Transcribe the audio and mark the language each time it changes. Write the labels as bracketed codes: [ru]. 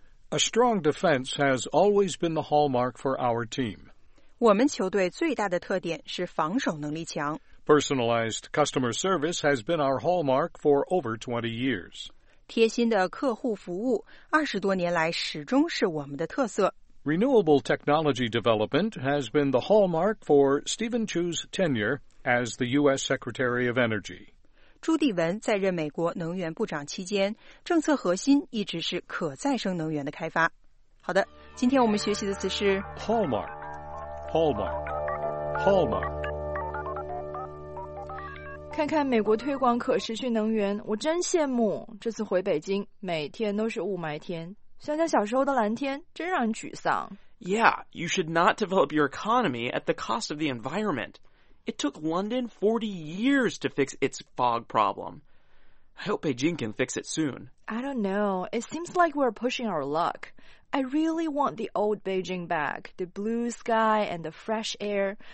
[en] A strong defense has always been the hallmark for our team. [zh] 我们球队最大的特点是防守能力强。 [en] Personalized customer service has been our hallmark for over 20 years. [zh] 贴心的客户服务20多年来始终是我们的特色。 [en] Renewable technology development has been the hallmark for Stephen Chu's tenure as the U.S. Secretary of Energy. [zh] 朱棣文在任美国能源部长期间，政策核心一直是可再生能源的开发。好的，今天我们学习的词是 [en] Hallmark, Hallmark, Hallmark。 [zh] 看看美国推广可持续能源，我真羡慕。这次回北京，每天都是雾霾天，想想小时候的蓝天，真让人沮丧。 [en] Yeah, you should not develop your economy at the cost of the environment. It took London 40 years to fix its fog problem. I hope Beijing can fix it soon. I don't know. It seems like we're pushing our luck. I really want the old Beijing back, the blue sky and the fresh air.